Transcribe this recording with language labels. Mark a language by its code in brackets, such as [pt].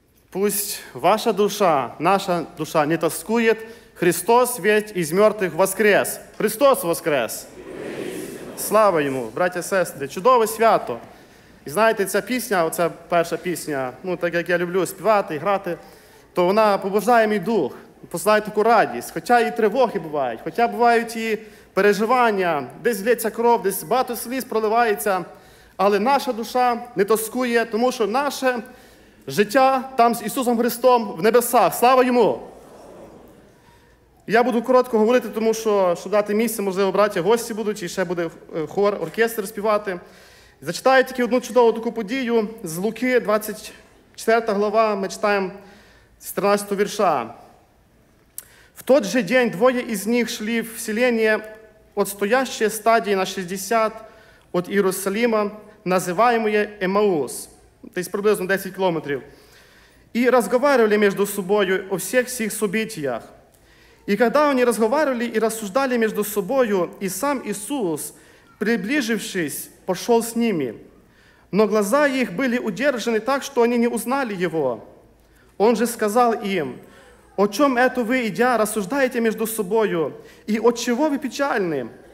[ru] пусть ваша душа, наша душа не тоскует. Христос ведь из мертвых воскрес. Христос воскрес! [uk] Слава Йому, браття і сестри, чудове свято. І знаєте, ця пісня, оця перша пісня, ну так як я люблю співати і грати, то вона побуждає мій дух, посилає таку радість. Хоча і тривоги бувають, хоча бувають і переживання, десь лється кров, десь багато сліз проливається, але наша душа не тоскує, тому що наше життя там з Ісусом Христом в небесах. Слава Йому! Я буду коротко говорити, тому що, щоб дати місце, можливо, браття, гості будуть, і ще буде хор, оркестр співати. Зачитаю тільки одну чудову таку подію з Луки, 24 глава, ми читаємо з 13 вірша. [ru] В тот же день двоє із них шли в селение, отстоящее стадии на 60 от Иерусалима, називаємоє Емаус, [uk] тобто приблизно 10 кілометрів, і розмовляли між собою о всіх цих событиях. [ru] И когда они разговаривали и рассуждали между собою, и сам Иисус, приближившись, пошел с ними. Но глаза их были удержаны так, что они не узнали Его. Он же сказал им, «О чем это вы, идя, рассуждаете между собою, и от чего вы печальны?»